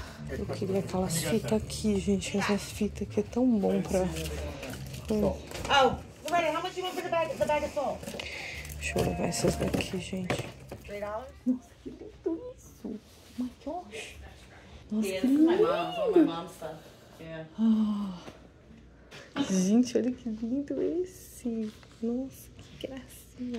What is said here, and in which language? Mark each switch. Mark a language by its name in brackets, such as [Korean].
[Portuguese] Eu queria aquelas fitas aqui, gente. Essas fitas aqui é tão bom pra... [English] Oh, Loretta, how much you want for the bag of salt? [Portuguese] Deixa eu levar essas daqui, gente. [English] $3? [Portuguese] Nossa, que lindo isso. [English] Oh, my gosh. [Portuguese] Nossa, gente, olha que lindo esse. Nossa, que gracinha.